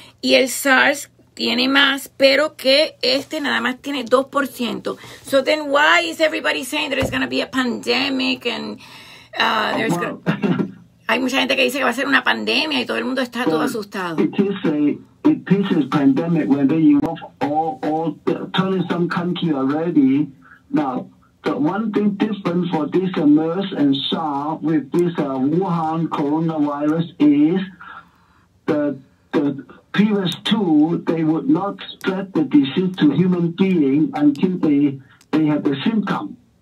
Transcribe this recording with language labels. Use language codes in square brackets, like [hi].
[es] Y el SARS tiene más, pero que este nada más tiene 2%. [en] So then why is everybody saying there is going to be a pandemic and... [es] hay mucha gente que dice que va a ser una pandemia y todo el mundo está todo asustado. [en] It is a pandemic when they involve all 20 some country already. Now, the one thing different for this MERS and SARS with this Wuhan coronavirus is the previous two, they would not spread the disease to human being until they have the symptom.